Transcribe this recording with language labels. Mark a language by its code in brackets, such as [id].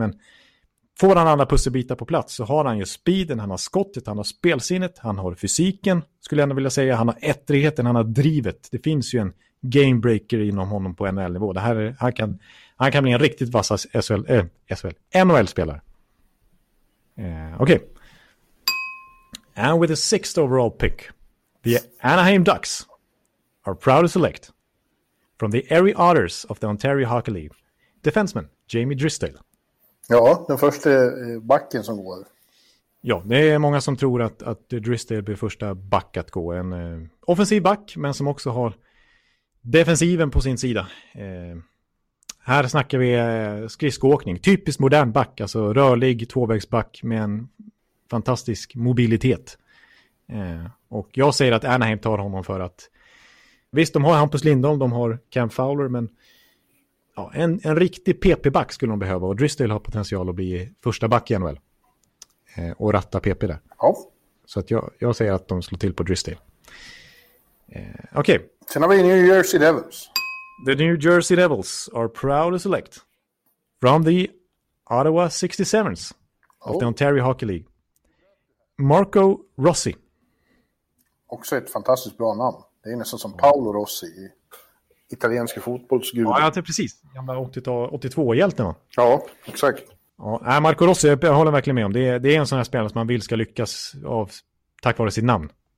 [sv] Men får han alla pusselbitar på plats så har han ju speeden, han har skottet, han har spelsinnet, han har fysiken, skulle jag ändå vilja säga. Han har ettrigheten, han har drivet. Det finns ju en gamebreaker inom honom på NHL-nivå. Han kan bli en riktigt vass NHL-spelare. Okej. [en] Okay. And with the sixth overall pick, the Anaheim Ducks are proud to select from the Erie Otters of the Ontario Hockey League, defenseman Jamie Drysdale. [sv] Ja, den första backen som går. Ja, det är många som tror att Drysdale blir första back att gå. En offensiv back, men som också har defensiven på sin sida. Här snackar vi skridskåkning. Typiskt modern back, alltså rörlig tvåvägsback med en fantastisk mobilitet. Och jag säger att Anaheim tar honom för att visst, de har Hampus Lindholm, de har Cam Fowler, men ja, en riktig PP-back skulle de behöva, och Drysdale har potential att bli första back igen väl. Och ratta PP där. Ja. Så att jag säger att de slår till på Drysdale. Okej. [en] Okay. [sv] Sen har vi New Jersey Devils. [en] The New Jersey Devils are proud to select from the Ottawa 67ers of the Ontario Hockey League. Marco Rossi. [sv] Också ett fantastiskt bra namn. Det är nästan som Paolo Rossi i italienska fotbollsgud. Ja, det är precis. Gamla 82-hjälten, va? Ja, exakt. Ja, Marco Rossi, jag håller verkligen med om. Det är en sån här spelare som man vill ska lyckas av tack vare sitt namn.